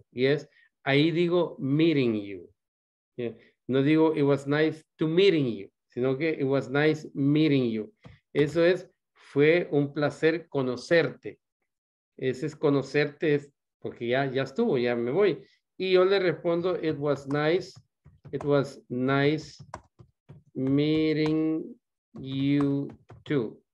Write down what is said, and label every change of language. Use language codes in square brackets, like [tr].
[es] Yes, ahí digo [en] meeting you. Yeah. [es] No digo [en] it was nice to meeting you, [es] sino que [en] it was nice meeting you. [es] Eso es, fue un placer conocerte. Ese es conocerte, porque ya estuvo, ya me voy. Y yo le respondo, [en] it was nice meeting you too.